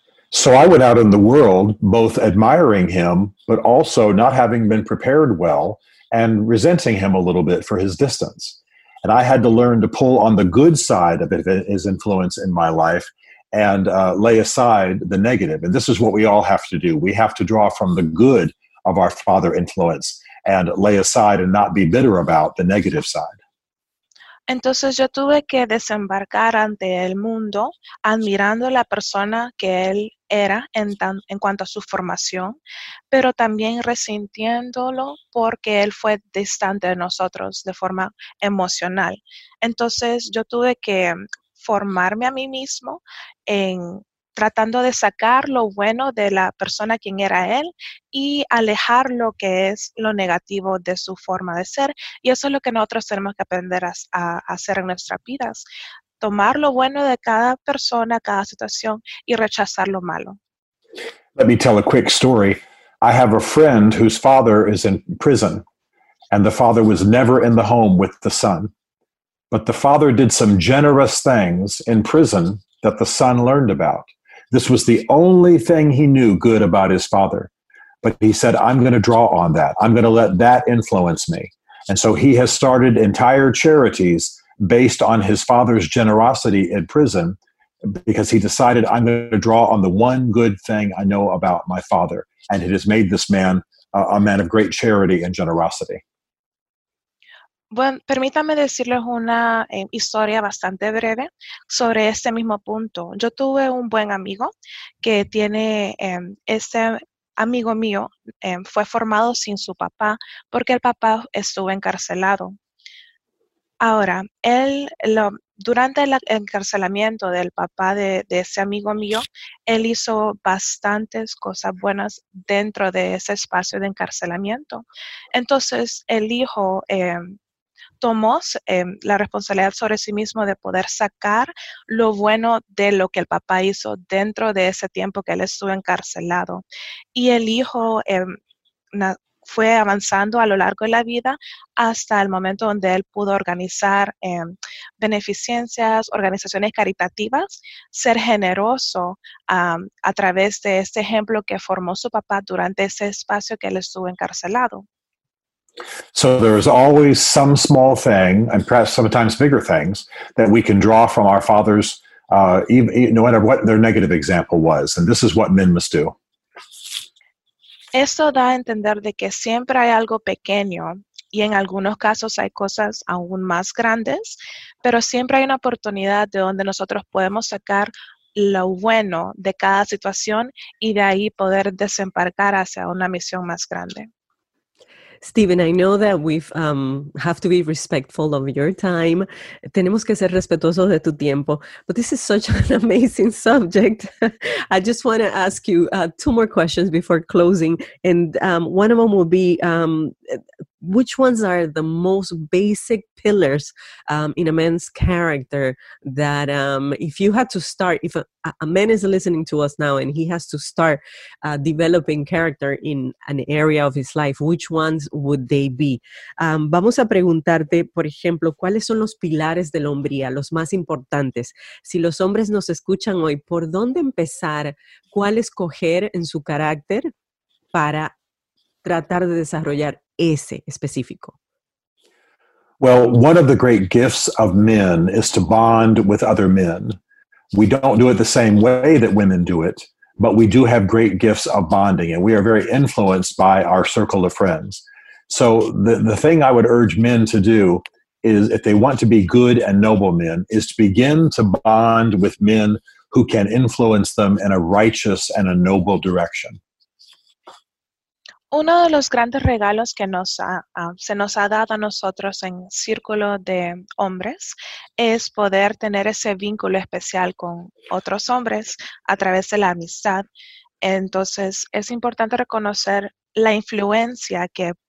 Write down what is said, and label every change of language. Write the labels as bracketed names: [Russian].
[English] So I went out in the world both admiring him, but also not having been prepared well and resenting him a little bit for his distance. And I had to learn to pull on the good side of his influence in my life and lay aside the negative. And this is what we all have to do. We have to draw from the good of our father influence and lay aside and not be bitter about the negative side. [Spanish] Entonces yo tuve que desembarcar ante el mundo admirando la persona que él era en cuanto a su formación, pero también resintiéndolo porque él fue distante de nosotros de forma emocional. Entonces yo tuve que formarme a mí mismo en tratando de sacar lo bueno de la persona quien era él y alejar lo que es lo negativo de su forma de ser. Y eso es lo que nosotros tenemos que aprender a hacer en nuestras vidas. Tomar lo bueno de cada persona, cada situación y rechazar lo malo. [English] Let me tell a quick story. I have a friend whose father is in prison and the father was never in the home with the son. But the father did some generous things in prison that the son learned about. This was the only thing he knew good about his father. But he said, I'm going to draw on that. I'm going to let that influence me. And so he has started entire charities based on his father's generosity in prison because he decided, I'm going to draw on the one good thing I know about my father. And it has made this man a man of great charity and generosity. [Spanish] Bueno, permítame decirles una historia bastante breve sobre este mismo punto. Yo tuve un buen amigo que tiene, este amigo mío fue formado sin su papá porque el papá estuvo encarcelado. Ahora, durante el encarcelamiento del papá de ese amigo mío, él hizo bastantes cosas buenas dentro de ese espacio de encarcelamiento. Entonces, el hijo tomó la responsabilidad sobre sí mismo de poder sacar lo bueno de lo que el papá hizo dentro de ese tiempo que él estuvo encarcelado. Y el hijo fue avanzando a lo largo de la vida hasta el momento donde él pudo organizar beneficencias, organizaciones caritativas, ser generoso a través de este ejemplo que formó su papá durante ese espacio que él estuvo encarcelado. [English] So there is always some small thing, and perhaps sometimes bigger things, that we can draw from our fathers, no matter what their negative example was. And this is what men must do. [Spanish] Esto da a entender de que siempre hay algo pequeño, y en algunos casos hay cosas aún más grandes, pero siempre hay una oportunidad de donde nosotros podemos sacar lo bueno de cada situación, y de ahí poder desembarcar hacia una misión más grande. [English] Steven, I know that we've have to be respectful of your time. [Spanish] Tenemos que ser respetuosos de tu tiempo. [English] But this is such an amazing subject. I just want to ask you two more questions before closing. And one of them will be, which ones are the most basic pillars in a man's character that if you had to start, if a man is listening to us now and he has to start developing character in an area of his life, which ones would they be? [Spanish] Vamos a preguntarte, por ejemplo, ¿cuáles son los pilares de la hombría, los más importantes? Si los hombres nos escuchan hoy, ¿por dónde empezar? ¿Cuál escoger en su carácter para tratar de desarrollar ese específico? [English] Well, one of the great gifts of men is to bond with other men. We don't do it the same way that women do it, but we do have great gifts of bonding, and we are very influenced by our circle of friends. So the thing I would urge men to do is, if they want to be good and noble men, is to begin to bond with men who can influence them in a righteous and a noble direction. [Spanish] Uno de los grandes regalos que se nos ha dado a nosotros en círculo de hombres es poder tener ese vínculo especial con otros hombres a través de la amistad. Entonces, es importante reconocer la influencia que